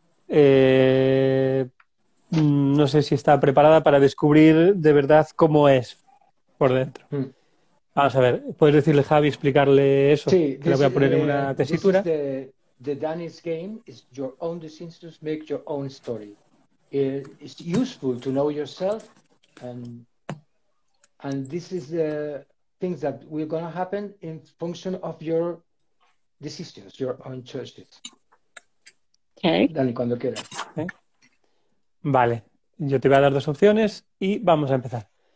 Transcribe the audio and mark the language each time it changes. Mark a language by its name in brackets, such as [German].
[Spanish] No sé si está preparada para descubrir de verdad cómo es por dentro. Vamos a ver, ¿puedes decirle a Javi, explicarle eso? Sí, que le voy a poner en una tesitura. [English] The Danny's game is your own decisions make your own story. It's useful to know yourself and this is the things that will gonna happen in function of your decisions, your own choices. Okay. [Spanish] Dani, cuando quieras. ¿Eh? Vale, yo te voy a dar dos opciones y vamos a empezar.